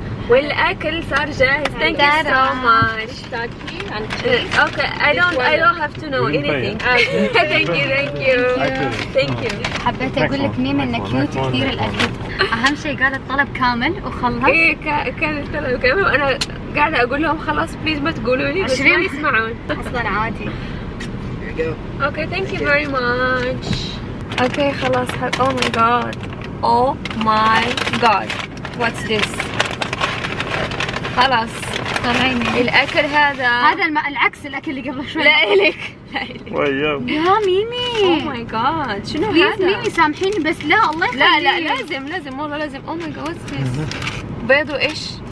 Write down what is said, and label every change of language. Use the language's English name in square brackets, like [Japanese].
[Arabic] والأكل صار جاهز [English] Thank you so much Okay, I don't have to know anything Thank you [Arabic] حبيت أقول لك ميم إنه كيوت كثير الأكل أهم شيء قال الطلب كامل وخلص إيه كان الطلب كامل وأنا قاعدة أقول لهم خلاص بليز ما تقولوا لي بس ما يسمعون أصلا عادي [English] Okay, thank you very much Okay, خلاص Oh my god Oh my god What's this? [Arabic] خلاص طلعيني الأكل هذا هذا العكس الأكل اللي قبل شوي لا إليك يا ميمي [English] Oh my god [Arabic] شنو هذا؟ بليز ميمي سامحيني بس لا الله يخليك لا لا لازم لازم والله لازم [English] Oh my god what's this؟ [Arabic] بيض وإيش؟